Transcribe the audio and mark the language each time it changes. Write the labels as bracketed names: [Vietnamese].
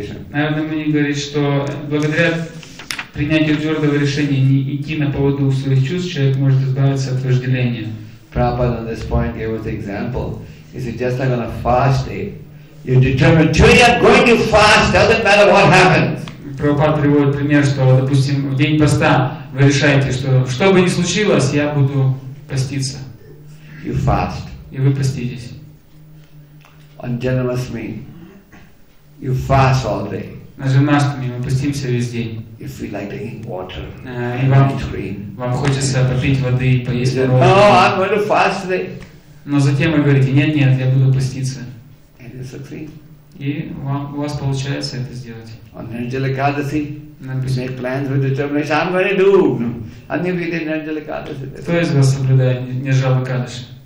[Russian] Наверное, мне говорит, что благодаря принятию твердого решения не идти на поводу своих чувств, человек может избавиться от вожделения. [English] Prabhupada on this point gave us an example. He said, just like on a fast day, you determine, today I'm going to fast, doesn't matter what happens. [Russian] Prabhupada приводит пример, что, допустим, в день поста вы решаете, что бы ни случилось, я буду поститься. [English] You fast. [Russian] И вы поститесь. [English] On Janmashtami, you fast all day. [Russian] На Janmashtami мы постимся весь день. [English] You feel like drinking water. [Russian] И вам хочется попить воды и поесть мороженое. [English] No, I'm going to fast today. [Russian] Но затем вы говорите, нет, я буду поститься. [English] And it's okay. [Russian] И у вас получается это сделать. [English] On Nirjala Ekadasi, you make plans with determination. I'm going to do. [Russian] Они видели Nirjala Ekadasi. Кто из вас соблюдает Nirjala Ekadasi?